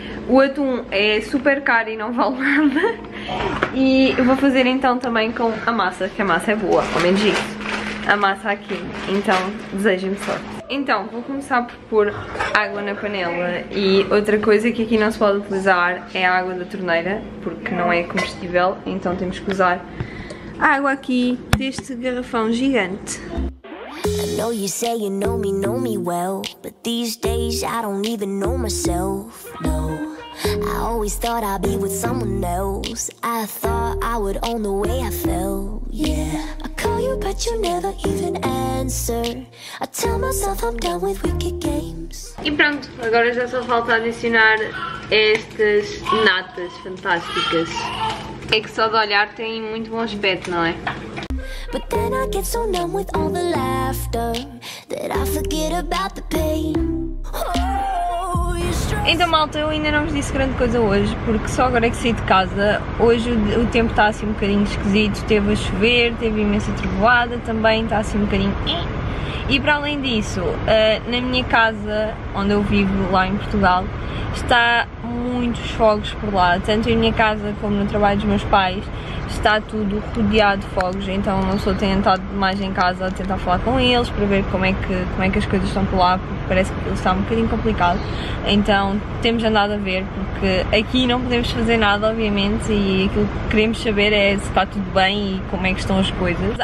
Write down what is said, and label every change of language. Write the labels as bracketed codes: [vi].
[pt] O atum é super caro e não vale nada e eu vou fazer então também com a massa, que a massa é boa, ao menos isso, a massa aqui, então desejem-me sorte. Então, vou começar por pôr água na panela e outra coisa que aqui não se pode utilizar é a água da torneira, porque não é comestível, então temos que usar água aqui deste garrafão gigante. [en] I know you say you know me well, but these days I don't even know myself. No, I always thought I'd be with someone else. I thought I would own the way I felt. Yeah, I call you but you never even answer. I tell myself I'm done with wicked games. [pt] E pronto, agora já só falta adicionar estas natas fantásticas. É que só de olhar tem muito bom aspecto, não é? [en] But then I get so numb with all the laughter that I forget about the pain. [pt] Então, malta, eu ainda não vos disse grande coisa hoje, porque só agora é que saí de casa. Hoje o tempo está assim um bocadinho esquisito, teve a chover, teve imensa trovoada, também está assim um bocadinho. E para além disso, na minha casa, onde eu vivo lá em Portugal, está muitos fogos por lá, tanto em minha casa como no trabalho dos meus pais, está tudo rodeado de fogos, então eu só tenho estado mais em casa a tentar falar com eles para ver como é que as coisas estão por lá, porque parece que está um bocadinho complicado, então temos andado a ver, porque aqui não podemos fazer nada, obviamente, e aquilo que queremos saber é se está tudo bem e como é que estão as coisas.